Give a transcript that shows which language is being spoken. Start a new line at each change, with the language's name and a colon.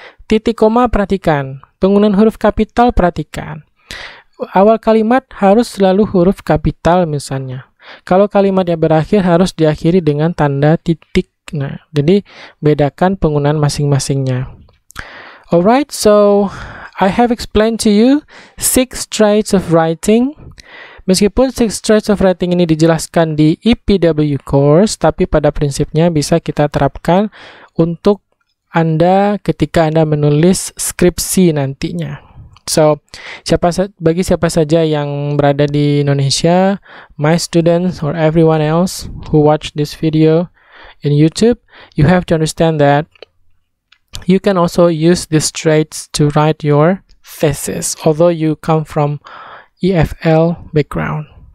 Indonesian: Titik koma perhatikan, penggunaan huruf kapital perhatikan. Awal kalimat harus selalu huruf kapital misalnya. Kalau kalimat yang berakhir harus diakhiri dengan tanda titik. Nah, jadi bedakan penggunaan masing-masingnya.
English: Alright, so I have explained to you 6 traits of writing.
Indonesian: Meskipun 6 traits of writing ini dijelaskan di EPW course, tapi pada prinsipnya bisa kita terapkan untuk Anda ketika Anda menulis skripsi nantinya.
English: So,
Indonesian: bagi siapa saja yang berada di Indonesia,
English: my students or everyone else who watch this video in YouTube, you have to understand that you can also use these traits to write your thesis, although you come from EFL background.